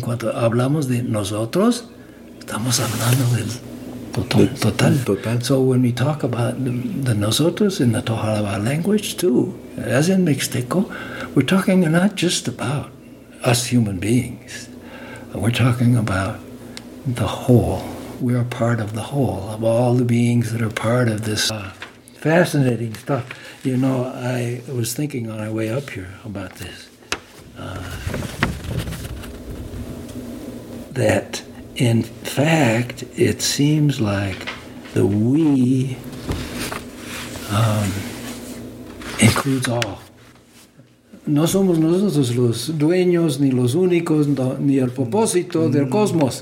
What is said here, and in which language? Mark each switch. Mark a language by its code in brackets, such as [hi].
[es] Cuando hablamos de nosotros, estamos hablando del total. [en] So when we talk about the nosotros in the Tohalabal language too, as in Mixteco, we're talking not just about us human beings. We're talking about the whole. We are part of the whole, of all the beings that are part of this fascinating stuff. You know, I was thinking on my way up here about this. That, in fact, it seems like the we includes all. [es] No somos nosotros los dueños, ni los únicos, ni el propósito del cosmos.